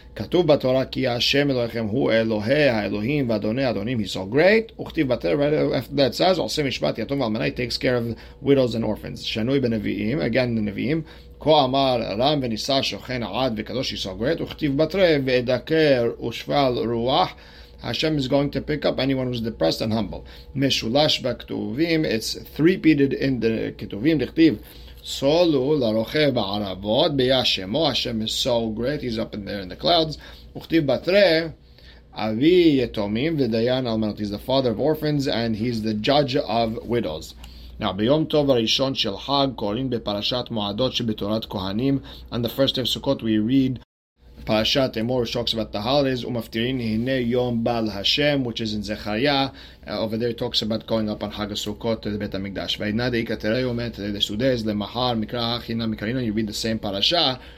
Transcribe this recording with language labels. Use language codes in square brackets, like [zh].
[he] כתוב בתורה כי השם אלוהיכם הוא אלוהי האלוהים ואדוני אדונים, [en] he's so great, [he] וכתיב בתורה, [en] right, that says, [he] עושה משפט יתום ואלמנה, [en] he takes care of widows and orphans. [he] שנוי בנביאים, again לנביאים, כה אמר רם ונישא שוכן עד וקדוש, [en] he's so great, [he] וכתיב בתורה, ואדקר ושפל רוח, [en] Hashem is going to pick up anyone who's depressed and humble. [he] Meshulash b'ketuvim, [en] it's three-peated in the ketuvim. [he] Dichtiv, solu l'rochev b'aravod b'yashemo. [en] Hashem is so great, he's up in there in the clouds. [he] Uchtiv batre, avi yetomim v'dayan almanot. [en] He's the father of orphans and he's the judge of widows. [he] Now, ביום טוב הראשון של חג קוראים בפרשת מועדות שבתורת כהנים. [en] On the first day of Sukkot, we read Parashat Emor, which talks about the holidays, [he] Umaftirin Hine Yom Bal Hashem, [en] which is in Zechariah. Over there, it talks about going up on Hag HaSukkot to the Beit HaMikdash. You read the same parasha.